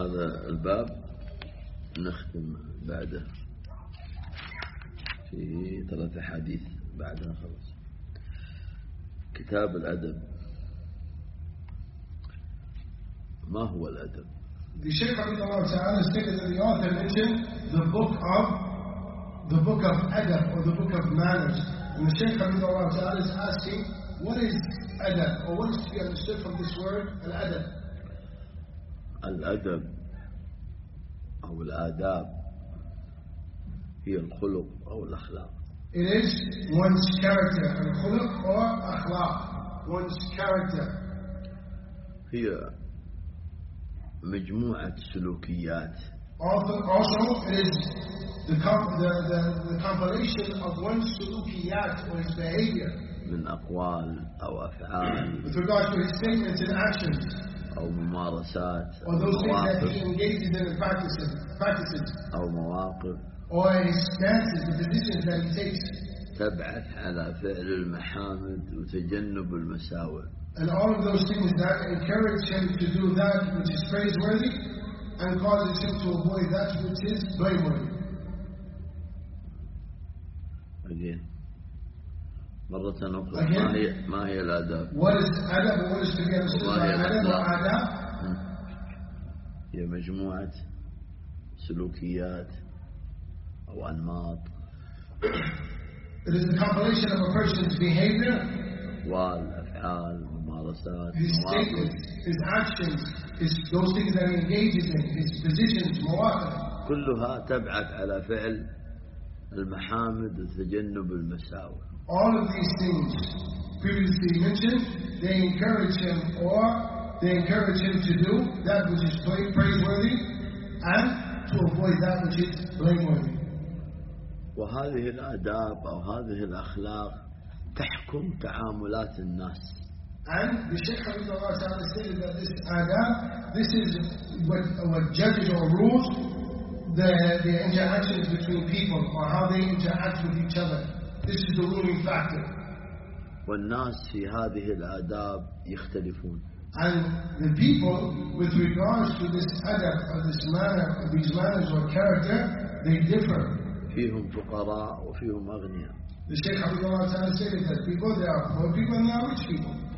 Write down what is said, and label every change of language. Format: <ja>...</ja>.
<ar>هذا الباب نختم بعده في ثلاثة حديث بعدها خلص كتاب الأدب. ما هو الأدب؟</ar> <en>The Shaykh</en> <ar>رضي الله تعالى</ar> <en>stated that the author mentioned the book of adab or the book of manners. And the Shaykh</en> <ar>رضي الله تعالى</ar> <en>is asking what is adab or what is to be understood from this word الأدب.</en> <ar>الأدب أو الآداب هي الخلق أو الأخلاق.</ar> <en>It is one's character, الخلق or أخلاق, one's character.</en> <ar>هي مجموعة سلوكيات.</ar> <en>Also, it is the compilation of one's سلوكيات or his behavior.</en> <ar>من أقوال أو أفعال.</ar> <en>With regard to his statements and actions.</en> <ar>أو ممارسات.</ar> <en>Or those things that he engages in and practices.</en> <ar>أو مواقف.</ar> <en>Or his stances, the positions that he takes.</en> <ar>تبعث على فعل المحامد وتجنب المساوئ.</ar> <en>And all of those things that encourage him to do that which is praiseworthy and causes him to avoid that which is blameworthy. Again.</en> <ar>مرة أخرى. ما هي الآداب؟</ar> <en>What is adab? What is to be understood by adab?</en> <ar>هي مجموعة سلوكيات أو أنماط.</ar> <en>It is a compilation of a person's behavior.</en> <ar>أقوال, أفعال, ممارسات.</ar> <en>His statements, his actions, his those things that he engages in, his positions, مواقف.</en> <ar>كلها تبعث على فعل المحامد وتجنب المساوئ.</ar> <en>All of these things previously mentioned, they encourage him or they encourage him to do that which is praiseworthy and to avoid that which is blameworthy.</en> <ar>وهذه الآداب أو هذه الأخلاق تحكم تعاملات الناس.</ar> <en>And the Shaykh Abdullah Ta'ala said that this adab, this is what judges or rules the interactions between people or how they interact with each other. This is the ruling factor.</en> <ar>والناس في هذه الآداب يختلفون.</ar> <en>And the people, with regards to this adab or this manner, or these manners or character, they differ.</en> <ar>فيهم فقراء وفيهم أغنياء.</ar> <en>The Shaykh Abdullah Ta'ala said that people, there are poor people and there are rich people.</en>